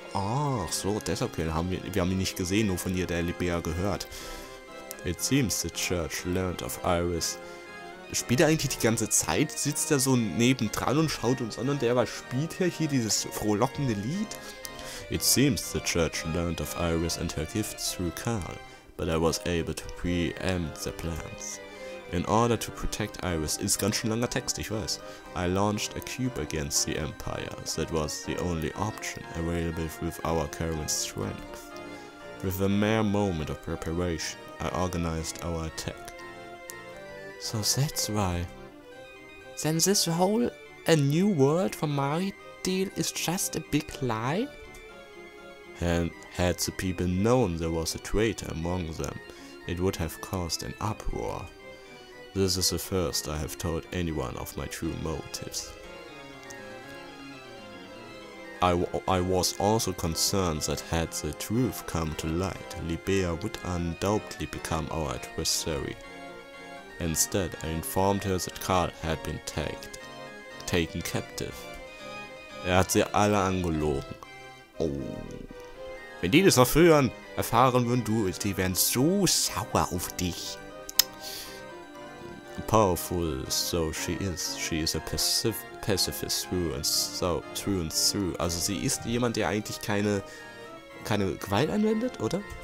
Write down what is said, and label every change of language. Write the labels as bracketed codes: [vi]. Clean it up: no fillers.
[de] Ach so, deshalb haben wir haben ihn nicht gesehen, nur von ihr der Libea gehört. [en] It seems the Church learned of Iris. [de] Spielt er eigentlich die ganze Zeit? Sitzt er so nebendran und schaut uns an und der, was spielt er hier, dieses frohlockende Lied? [en] It seems the Church learned of Iris and her gifts through Karl, but I was able to preempt their plans. In order to protect Iris, [de] ist ganz schön langer Text, ich weiß, [en] I launched a cube against the Empire. That was the only option available with our current strength. With a mere moment of preparation, I organized our attack. So that's why. Then this whole A New World for Marie deal is just a big lie? Had the people known there was a traitor among them, it would have caused an uproar. This is the first I have told anyone of my true motives. I was also concerned that had the truth come to light, Libea would undoubtedly become our adversary. Instead, I informed her that Karl had been taken captive. [de] Er hat sie alle angelogen. Oh. Wenn die das noch früher erfahren würden, die wären so sauer auf dich. [en] Powerful, so she is. She is a pacifist through and through. [de] Also sie ist jemand, der eigentlich keine Gewalt anwendet, oder?